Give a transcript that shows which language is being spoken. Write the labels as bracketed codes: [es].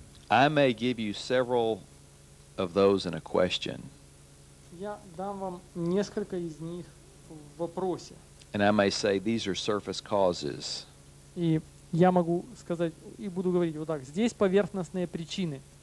[en] I may give you several of those in a question. [ru] Я дам вам несколько из них в вопросе. [en] And I may say these are surface causes. [ru] И я могу сказать и буду говорить вот так: здесь поверхностные причины.